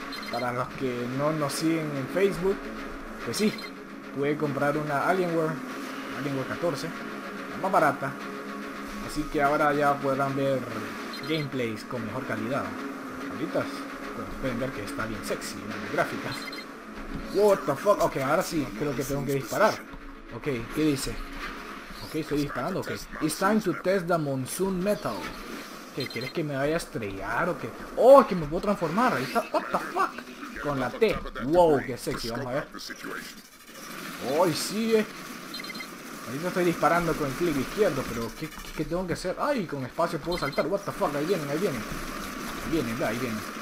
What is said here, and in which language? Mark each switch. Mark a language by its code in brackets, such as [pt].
[es] Para los que no nos siguen en Facebook, pues sí, pude comprar una Alienware 14, la más barata. Así que ahora ya podrán ver gameplays con mejor calidad. Ahorita pueden ver que está bien sexy en las gráficas. [en] What the fuck, [es] ok, ahora sí, creo que tengo que disparar. Ok, ¿qué dice? Ok, estoy disparando, ok. [en] It's time to test the monsoon metal. [es] ¿Qué? ¿Quieres que me vaya a estrellar o qué? ¡Oh, que me puedo transformar! Ahí está, [en] what the fuck. [es] Con la T. Wow, qué sexy, vamos a ver. ¡Oh, sí! Ahorita estoy disparando con el clic izquierdo, pero ¿qué tengo que hacer? ¡Ay, con espacio puedo saltar! [en] What the fuck, [es] ahí vienen. Ahí vienen.